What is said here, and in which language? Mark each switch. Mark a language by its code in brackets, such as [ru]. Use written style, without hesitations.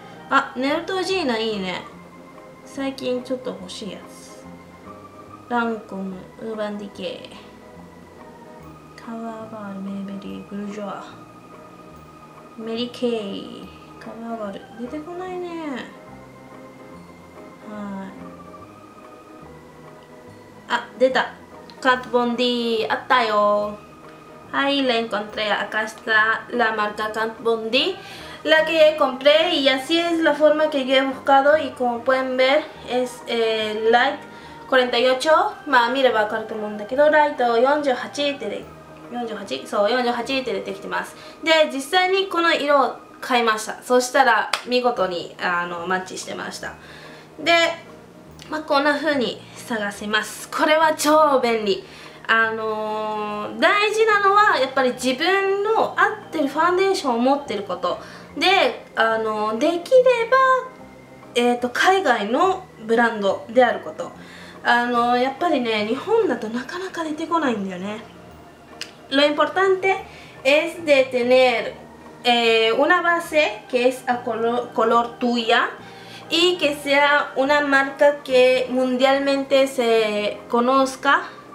[ja] あ、ネルトジーナいいね。最近ちょっと欲しいやつ、ランコム、ウーバンディケイ、カワーバール、メイベリー、ブルジョア、メリケイ、カバーガール出てこないね。はい、あ、出た、カットボンディあったよ。 [es] はい、la encontré, acá está la marca カットボンディ la que compré y así es la forma que yo he buscado y como pueden ver es light 48, [ja] まあ見ればわかると思うんだけど、ライト48って出てきてます。で実際にこの色を買いました。そしたら見事にマッチしてました。で、まあ、こんな風に探せます。これは超便利。大事なのはやっぱり自分の合ってるファンデーションを持ってることで、できれば、海外のブランドであること。やっぱりね、日本だとなかなか出てこないんだよね。 [es] Lo importante es de tenerUna base que es a color tuya y que sea una marca que mundialmente se conozca